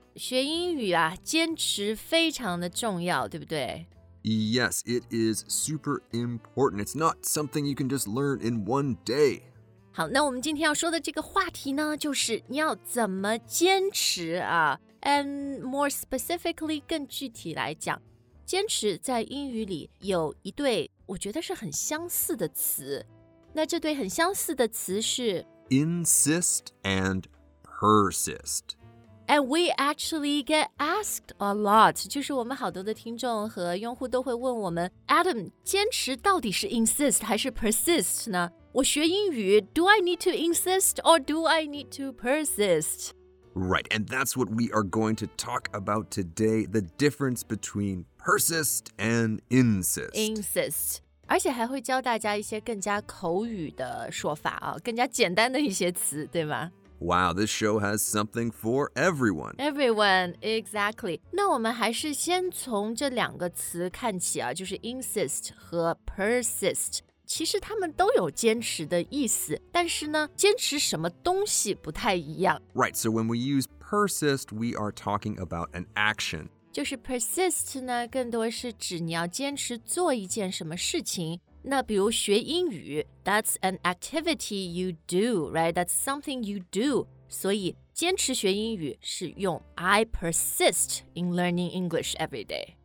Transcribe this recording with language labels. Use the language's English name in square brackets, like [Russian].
[Chinese] 学英语啊，坚持非常的重要，对不对？ [English] Yes, it is super important. It's not something you can just learn in one day. [Chinese] 好，那我们今天要说的这个话题呢，就是你要怎么坚持啊。 [English] And more specifically, [Chinese] 更具体来讲，坚持在英语里有一对我觉得是很相似的词。那这对很相似的词是 [English] insist and persist. And we actually get asked a lot. [Chinese] 就是我们好多的听众和用户都会问我们 Adam, 坚持到底是 insist 还是 persist 呢？我学英语 [English] ,do I need to insist or do I need to persist? Right, and that's what we are going to talk about today, the difference between persist and insist. Insist. [Chinese] 而且还会教大家一些更加口语的说法啊，更加简单的一些词，对吗？ [English] Wow, this show has something for everyone. Everyone, exactly. [Chinese] 那我们还是先从这两个词看起啊，就是 insist 和 persist. 其实他们都有坚持的意思，但是呢，坚持什么东西不太一样。 [English] Right, so when we use persist, we are talking about an action. [Chinese] 就是 persist 呢，更多是指你要坚持做一件什么事情。那比如学英语 [English] that's an activity you do, right? That's something you do. [Chinese] 所以坚持学英语是用 [English] I persist in learning English every day.